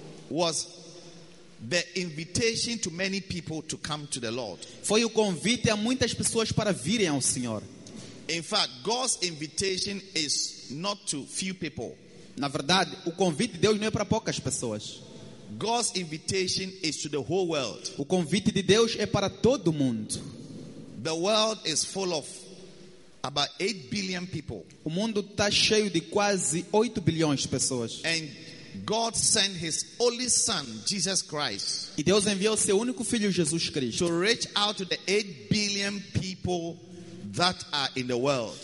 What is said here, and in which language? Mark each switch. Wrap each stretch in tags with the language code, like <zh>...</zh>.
<en>was the invitation to many people to come to the Lord.</en> <pt>Foi o convite a muitas pessoas para virem ao Senhor.</pt> <en>In fact, God's invitation is not to few people.</en> <pt>Na verdade, o convite de Deus não é para poucas pessoas.</pt> <en>God's invitation is to the whole world.</en> <pt>O convite de Deus é para todo mundo.</pt> <en>The world is full of about 8 billion people.</en> <pt>O mundo está cheio de quase 8 bilhões de pessoas.</pt> <en>And God sent his only son, Jesus Christ.</en> <pt>E Deus enviou seu único filho, Jesus Cristo.</pt> <en>To reach out to the 8 billion people that are in the world.</en>